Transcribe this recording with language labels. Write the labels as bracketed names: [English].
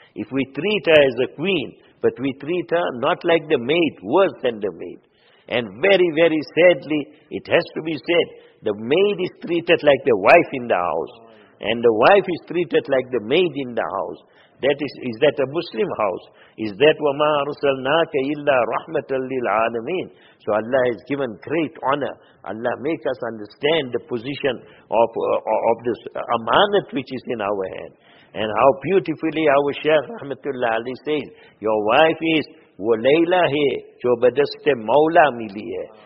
[English] If we treat her as a queen, but we treat her not like the maid, worse than the maid. And very, very sadly, it has to be said, the maid is treated like the wife in the house. And the wife is treated like the maid in the house. Is that a Muslim house? Is that [Arabic] وَمَا أَرْسَلْنَاكَ إِلَّا رَحْمَةً لِلْعَالَمِينَ? [English] So Allah has given great honor. Allah make us understand the position of this amanat which is in our hand. And how beautifully our Shaykh Rahmatullah Ali says, your wife is [Urdu] وہ لیلہ ہے جو بدست مولا ملی ہے.